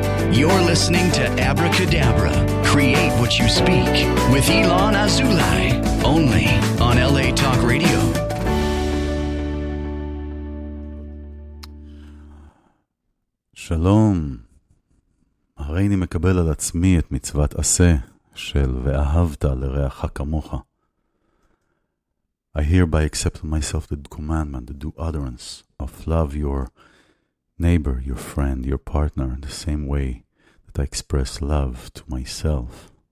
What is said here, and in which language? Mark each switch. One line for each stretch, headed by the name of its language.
English: You're listening to Abracadabra, Create What You Speak, with Ilan Azulay, only on LA Talk Radio.
Hebrew: שלום, הרי אני מקבל על עצמי את מצוות עשה של ואהבת לרעך כמוך.
English: I hereby accept myself the commandment to do utterance of love your neighbor, your friend, your partner in the same way that I express love to myself.